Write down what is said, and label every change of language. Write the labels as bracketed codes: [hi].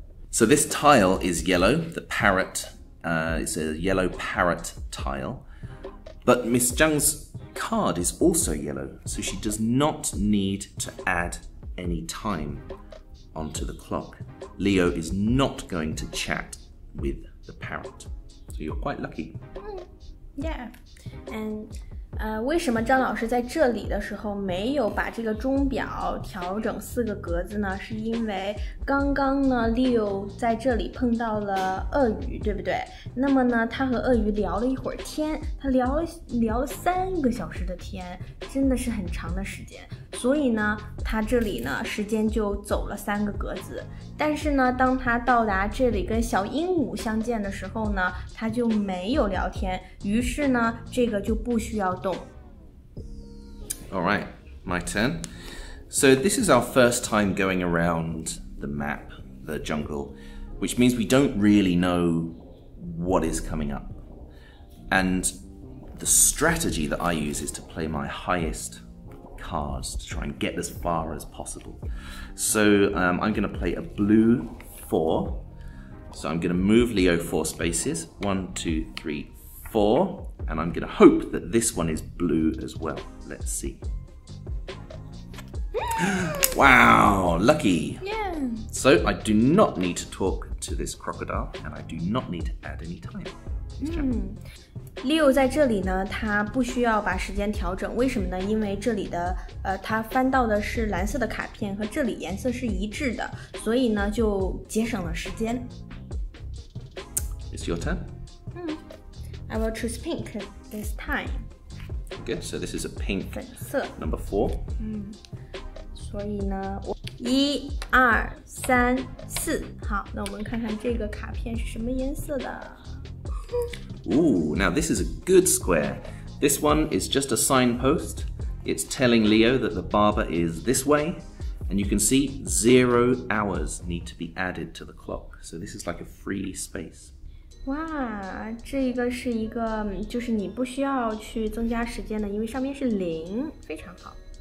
[en] So this tile is yellow, the parrot, it's a yellow parrot tile. But Miss Zhang's card is also yellow, so she does not need to add any time onto the clock. Leo is not going to chat with the parrot. So you're quite lucky. Yeah. And, [zh] 为什么张老师在这里的时候没有把这个钟表调整四个格子呢？是因为刚刚呢 ，Leo 在这里碰到了鳄鱼，对不对？那么呢，他和鳄鱼聊了一会儿天，他聊了三个小时的天，真的是很长的时间。所以呢，他这里呢，时间就走了三个格子。但是呢，当他到达这里跟小鹦鹉相见的时候呢，他就没有聊天，于是呢，这个就不需要动。 [en] All right, my turn. So this is our first time going around the map, the jungle, which means we don't really know what is coming up. And the strategy that I use is to play my highest cards to try and get as far as possible. So I'm going to play a blue four. So I'm going to move Leo four spaces. One, two, three, four. And I'm going to hope that this one is blue as well. Let's see. Wow, lucky. Yeah. So I do not need to talk to this crocodile and I do not need to add any time. [zh] Leo 在这里呢，他不需要把时间调整，为什么呢？因为这里的他翻到的是蓝色的卡片，和这里颜色是一致的，所以呢就节省了时间。 [en] It's your turn. I will choose pink this time. Good. So this is a pink. [zh] 粉色。 [en] Number four. [zh] 所以呢，我一二三四，好，那我们看看这个卡片是什么颜色的。 [en] Ooh, now this is a good square. This one is just a signpost. It's telling Leo that the barber is this way. And you can see 0 hours need to be added to the clock. So this is like a free space. [zh] Wow, 这个是一个就是你不需要去增加时间的，因为上面是零，非常好。